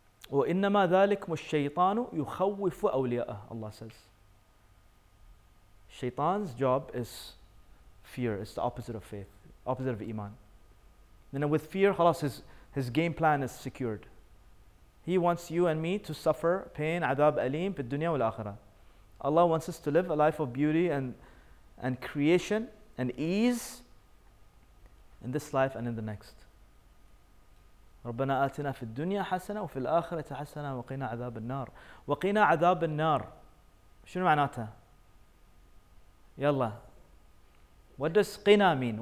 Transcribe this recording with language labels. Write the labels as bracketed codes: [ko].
[ar] وَإِنَّمَا ذَلِكُمُ الشَّيْطَانُ يُخَوِّفُ أَوْلِيَاءَهُ [en] Allah says. Shaitan's job is fear. It's the opposite of faith, opposite of iman. Then with fear, خلاص, his game plan is secured. He wants you and me to suffer pain, [ar] عذاب أليم في الدنيا والآخرة. [en] Allah wants us to live a life of beauty and creation and ease in this life and in the next. [ar] رَبَّنَا آتِنَا فِي الدُّنْيَا حَسَنَةً وَفِي الْآخِرَةِ حَسَنَةً وَقِنَا عَذَابَ النَّارِ وَقِنَا عَذَابَ النَّارِ شنو معناتها؟ يلا [en] What does [ar] قِنَا [en] mean?